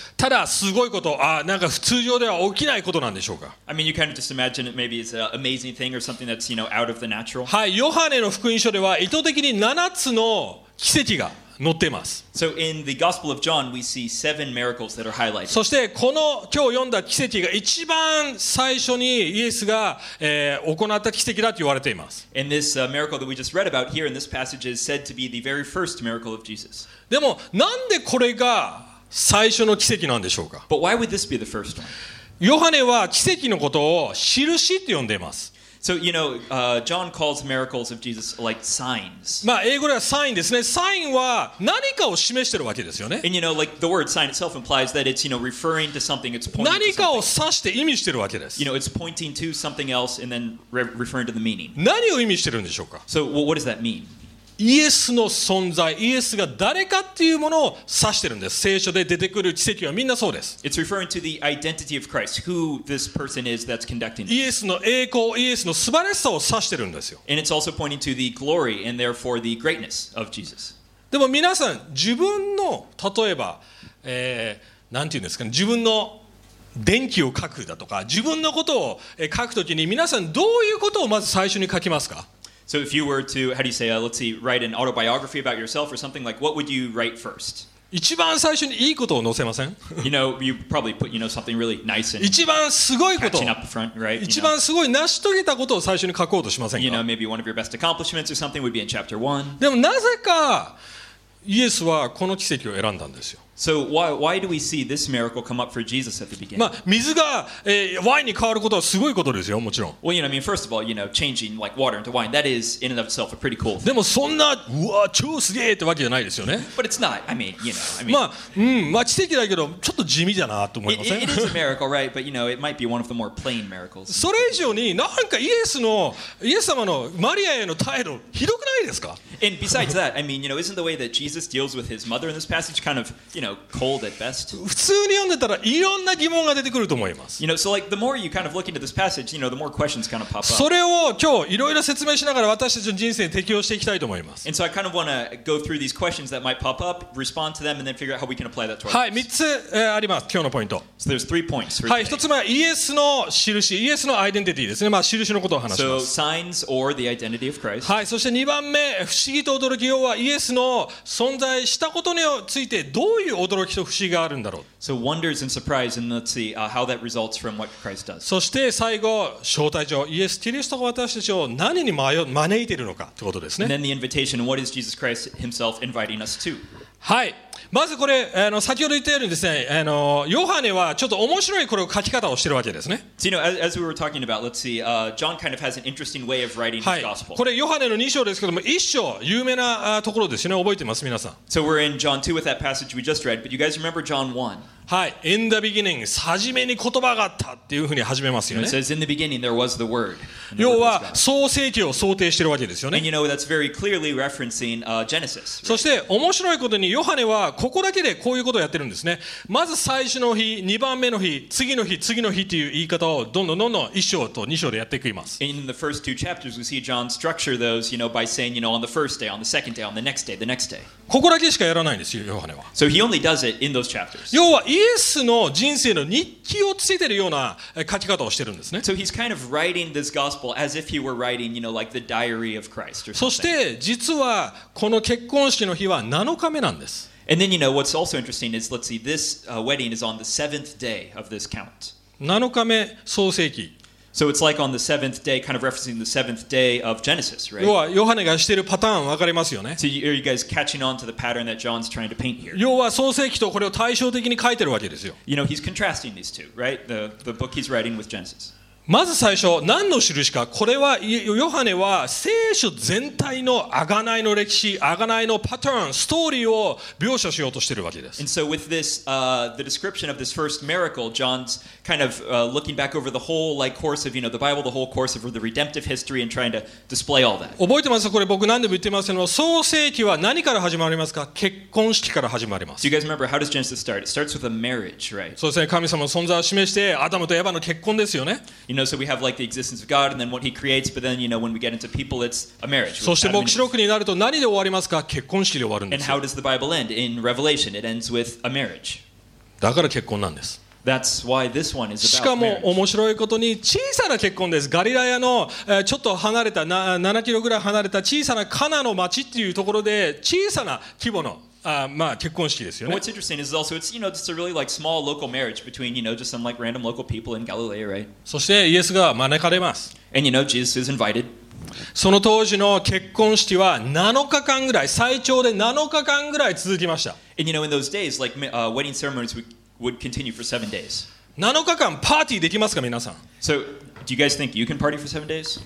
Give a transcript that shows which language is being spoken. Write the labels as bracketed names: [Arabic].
[Japanese] ただすごいこと、なんか普通上では起きないことなんでしょうか。 [English] I mean, you kind of just imagine it maybe it's an amazing thing or something that's, you know, out of the natural. [Japanese] はい、ヨハネの福音書では意図的に7つの奇跡が載っています。 [English] So in the Gospel of John, we see seven miracles that are highlighted. [Japanese] そしてこの今日読んだ奇跡が一番最初にイエスが、行った奇跡だと言われています。 [English] And this, miracle that we just read about here in this passage is said to be the very first miracle of Jesus. [Japanese] でもなんでこれが最初の奇跡なんでしょうか。 [English] But why would this be the first one? [Japanese] ヨハネは奇跡のことを印って呼んでいます。 [English] So, you know, John calls miracles of Jesus like signs. [Japanese] まあ英語ではサインですね。サインは何かを示してるわけですよね。 [English] And you know, like the word sign itself implies that it's, you know, referring to something, it's pointing to something. [Japanese] 何かを指して意味してるわけです。 [English] You know, it's pointing to something else and then referring to the meaning. [Japanese] 何を意味してるんでしょうか。 [English] So, well, what does that mean? [Japanese] イエスの存在、イエスが誰かっていうものを指してるんです。聖書で出てくる奇跡はみんなそうです。 [English] It's referring to the identity of Christ, who this person is that's conducting this. [Japanese] イエスの栄光、イエスの素晴らしさを指してるんですよ。 [English] And it's also pointing to the glory and therefore the greatness of Jesus. [Japanese] でも皆さん、自分の、例えば、なんていうんですかね、自分の電気を書くだとか、自分のことを書くときに皆さん、どういうことをまず最初に書きますか? [English] So if you were to, how do you say, let's see, write an autobiography about yourself or something, like, what would you write first? [Japanese] 一番最初にいいことを載せません? [English] You know, you probably put, you know, something really nice and [Japanese] 一番すごいこと。 [English] catching up the front, right? [Japanese] 一番すごい成し遂げたことを最初に書こうとしませんか? [English] You know, maybe one of your best accomplishments or something would be in chapter one. [Japanese] でもなぜかイエスはこの奇跡を選んだんですよ。 [English] So why do we see this miracle come up for Jesus at the beginning? [Japanese] まあ水が、ワインに変わることはすごいことですよ、もちろん。 [English] Well, you know, I mean, first of all, you know, changing like water into wine, that is in and of itself a pretty cool thing. [Japanese] でもそんな、うわ、超すげーってわけじゃないですよね。 [English] But it's not, I mean, you know, I mean... [Japanese] まあ奇跡だけど、ちょっと地味じゃなと思いません? [English] It is a miracle, right? But, you know, it might be one of the more plain miracles. [Japanese] それ以上になんかイエス様のマリアへの態度、ひどくないですか? [English] And besides that, I mean, you know, isn't the way that Jesus deals with his mother in this passage kind of, you know, cold at best. [Japanese] 普通に読んでたらいろんな疑問が出てくると思います。 [English] You know, so like the more you kind of look into this passage, you know, the more questions kind of pop up. [Japanese] それを今日いろいろ説明しながら私たちの人生に適用していきたいと思います。 [English] And so I kind of want to go through these questions that might pop up, respond to them, and then figure out how we can apply that to our lives. [Japanese] はい、3つ、あります。今日のポイント。 [English] So there's three points. [Japanese] はい、1つ目はイエスの印、イエスのアイデンティティですね。まあ印のことを話します。 [English] So signs or the identity of Christ. [Japanese] はい、そして2番目、不思議と驚きようはイエスの存在したことについてどういう驚きと不思議があるんだろう。 [English] So wonders and surprise, and let's see how that results from what Christ does. [Japanese] そして最後、招待状、イエス・キリストが私たちを何に招いているのかということですね。 [English] And then the invitation, what is Jesus Christ himself inviting us to? [Japanese] はい。まずこれ、先ほど言ったようにですね、ヨハネはちょっと面白いこれを書き方をしているわけですね。 [English] So, you know, as we were talking about, let's see, John kind of has an interesting way of writing his gospel. [Japanese] はい。これヨハネの2章ですけども、1章、有名なところですよね。覚えてます、皆さん。 [English] So we're in John 2 with that passage we just read, but you guys remember John 1? [Japanese] はい。 [English] In the beginning, [Japanese] 初めに言葉があったっていうふうに始めますよね。 [English] It says, in the beginning, there was the word. [Japanese] 要は、創世記を想定しているわけですよね。 [English] And you know, that's very clearly referencing Genesis. [Japanese] そして、面白いことに、ヨハネはここだけでこういうことをやってるんですね。まず最初の日、2番目の日、次の日、次の日という言い方をどんどんどんどん1章と2章でやっていきます。 [English] In the first two chapters, we see John structure those, you know, by saying, you know, on the first day, on the second day, on the next day, the next day. [Japanese] ここだけしかやらないんですよ、ヨハネは。 [English] So he only does it in those chapters. [Japanese] 要はイエスの人生の日記をつけてるような書き方をしてるんですね。 [English] So he's kind of writing this gospel as if he were writing, you know, like the diary of Christ or [Japanese] そして実はこの結婚式の日は7日目なんです。 [English] And then, you know, what's also interesting is, let's see, this wedding is on the seventh day of this count. [Japanese] 7日目創世記。 [English] So it's like on the seventh day, kind of referencing the seventh day of Genesis, right? [Japanese] 要はヨハネがしているパターン分かりますよね。 [English] So are you guys catching on to the pattern that John's trying to paint here? [Japanese] 要は創世記とこれを対照的に書いてるわけですよ。 [English] You know, he's contrasting these two, right? The book he's writing with Genesis. [Japanese] まず最初、何の印か。これはヨハネは聖書全体の贖いの歴史、贖いのパターン、ストーリーを描写しようとしているわけです。 [English] And so with this, the description of this first miracle, John's kind of looking back over the whole like course of, you know, the Bible, the whole course of the redemptive history and trying to display all that. [Japanese] 覚えてますか? これ僕何でも言ってますけども、創世記は何から始まりますか? 結婚式から始まります。 [English] Do you guys remember how does Genesis start? It starts with a marriage, right? [Japanese] そうですね。神様の存在を示して、アダムとエヴァの結婚ですよね。 [English] You know, so we have like the existence of God and then what he creates, but then, you know, when we get into people, it's a marriage. [Japanese] そして黙示録になると何で終わりますか?結婚式で終わるんですよ。 [English] And how does the Bible end? In Revelation, it ends with a marriage. [Japanese] だから結婚なんです。 [English] That's why this one is about [Japanese] しかも面白いことに小さな結婚です。ガリラヤのちょっと離れた、7キロぐらい離れた小さなカナの町っていうところで小さな規模の。結婚式ですよね。 [English] What's interesting is also it's, you know, it's a really like small local marriage between, you know, just some like random local people in Galilee, right? [Japanese] そしてイエスが招かれます。 [English] And you know, Jesus is invited. [Japanese] その当時の結婚式は7日間ぐらい、最長で7日間ぐらい続きました。 [English] And you know, in those days, like wedding ceremonies would continue for 7 days. [Japanese] 7日間パーティーできますか、皆さん。 [English] So, do you guys think you can party for 7 days?